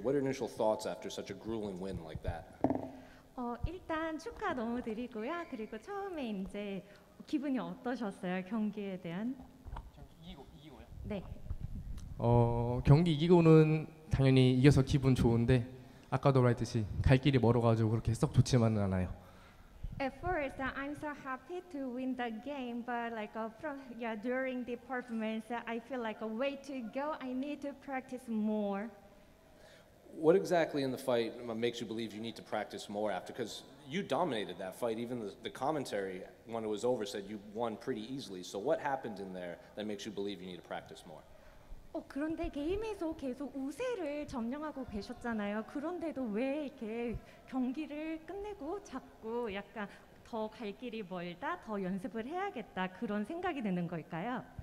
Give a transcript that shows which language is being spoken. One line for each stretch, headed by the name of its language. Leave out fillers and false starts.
English: What are your initial thoughts after such a grueling win like that?
Korean: 일단 축하 너무 드리고요. 그리고 처음에 이제 기분이 어떠셨어요? 경기에 대한? 경기 이기고요? 네. 경기 이기고는 당연히 이겨서 기분 좋은데 아까도 말했듯이 갈 길이 멀어가지고 그렇게 썩 좋지만은 않아요.
English: At first, I'm so happy to win the game, but like during the performance, I feel like a way to go. I need to practice more. What exactly in the fight makes you believe you need to practice more after? Because you dominated that fight. Even the commentary, when it was over, said you won pretty easily. So what happened in there that makes you believe you need to practice more?
Korean: 그런데 게임에서 계속 우세를 점령하고 계셨잖아요. 그런데도 왜 이렇게 경기를 끝내고 자꾸 약간 더 갈 길이 멀다, 더 연습을 해야겠다 그런 생각이 드는 걸까요?